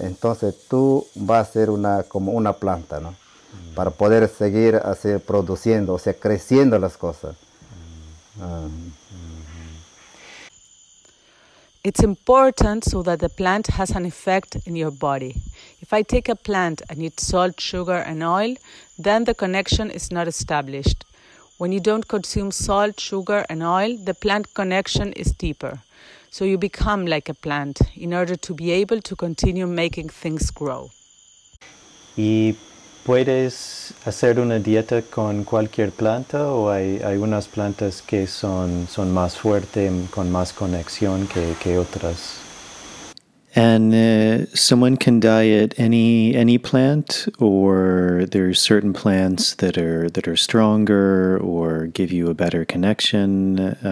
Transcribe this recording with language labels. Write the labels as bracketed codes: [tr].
[es] Entonces tú vas a ser una como una planta, ¿no? Para poder seguir así produciendo, o sea, creciendo las cosas. [en] It's important so that the plant has an effect in your body. If I take a plant and eat salt, sugar and oil, then the connection is not established. When you don't consume salt, sugar and oil, the plant connection is deeper. So you become like a plant in order to be able to continue making things grow. [es] ¿Y puedes hacer una dieta con cualquier planta o hay unas plantas que son más fuertes, con más conexión que otras? [en] And someone can diet any plant, or there are certain plants that are stronger or give you a better connection.